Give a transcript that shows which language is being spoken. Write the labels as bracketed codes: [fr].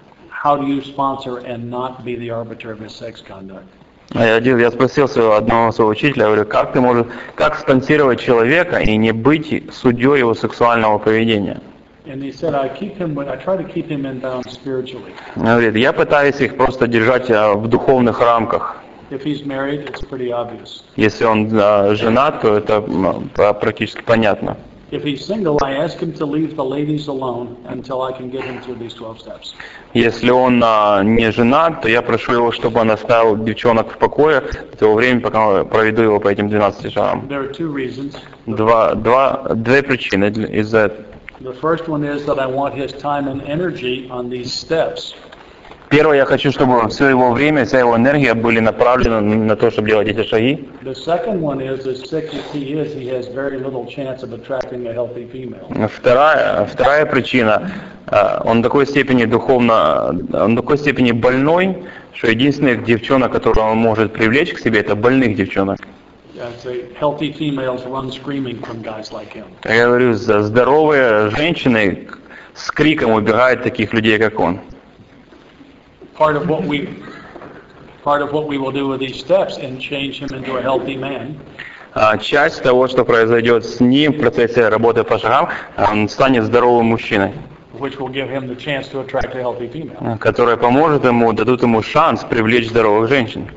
[en] How do you sponsor and not be the arbiter of his sex conduct? [ru] Я спросил одного своего учителя, говорю, как спонсировать человека и не быть судьей его сексуального поведения? [en] And he said, I try to keep him in bounds spiritually. [ru] Говорит, я пытаюсь их просто держать в духовных рамках. [en] If he's married, it's pretty obvious. [ru] Если он женат, то это практически понятно. [en] If he's single, I ask him to leave the ladies alone until I can get him through these 12 steps. [ru] Если он не женат, то я прошу его, чтобы он оставил девчонок в покое до того времени, пока я проведу его по этим 12 шагам. [en] There are two reasons. [ru] Две причины из-за этого. [en] The first one is that I want his time and energy on these steps. [ru] Первое, я хочу, чтобы все его время, вся его энергия были направлены на то, чтобы делать эти шаги. [en] The second one is, as sick as he is, he has very little chance of attracting a healthy female. [ru] Вторая причина, он такой степени больной, что единственных девчонок, которые он может привлечь к себе, это больных девчонок. [en] Healthy females run screaming from guys like him. [ru] Я говорю, здоровые женщины с криком убегают таких людей, как он. [en] Part of what we will do with these steps and change him into a healthy man. [ru] Часть того, что произойдет с ним в процессе работы по шагам, он станет здоровым мужчиной. [en] Which will give him the chance to attract a healthy female. [ru] Которая поможет ему, дадут ему шанс привлечь здоровых женщин.